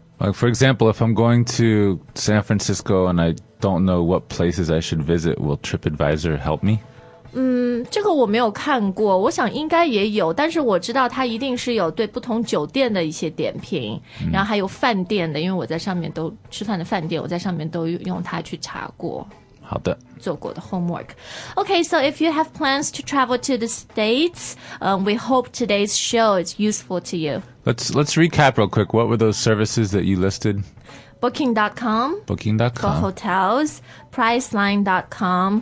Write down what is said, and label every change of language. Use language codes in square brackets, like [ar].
[en] Like for example, if I'm going to San Francisco and I don't know what places I should visit, will TripAdvisor help me? [zh] 这个我没有看过，我想应该也有，但是我知道它一定是有对不同酒店的一些点评，然后还有饭店的，因为我在上面都吃饭的饭店，我在上面都用它去查过。好的，做过的 homework. [en] Okay, so if you have plans to travel to the States, we hope today's show is useful to you. Let's recap real quick. What were those services that you listed? Booking.com. Booking.com. For hotels. Priceline.com.